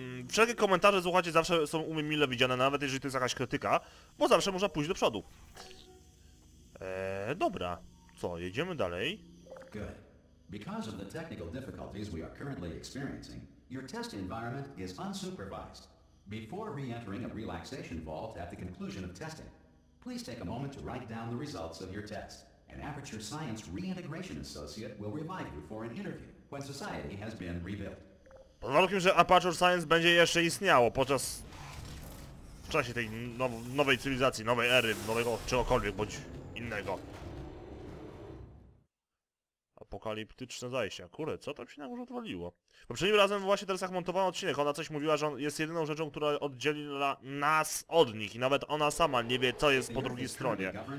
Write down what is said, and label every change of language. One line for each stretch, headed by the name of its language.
Polish: Wszelkie komentarze, słuchacie, zawsze są u mnie mile widziane, nawet jeżeli to jest jakaś krytyka, bo zawsze można pójść do przodu. Dobra. Co, jedziemy dalej?
English: Good. Because of the technical difficulties we are currently experiencing, your test environment is unsupervised. Before re-entering a relaxation vault at the conclusion of testing, please take a moment to write down the results of your test. An Aperture Science Reintegration Associate will revive you for an interview when society has been rebuilt.
Polish: Pod warunkiem, że Aperture Science będzie jeszcze istniało podczas... w czasie tej nowej cywilizacji, nowej ery, nowego czegokolwiek bądź innego. Apokaliptyczne zajście. Kurde, co tam się na górze odwaliło? Poprzednim razem właśnie teraz jak montowałem odcinek, ona coś mówiła, że on jest jedyną rzeczą, która oddzieli nas od nich i nawet ona sama nie wie, co jest po drugiej stronie.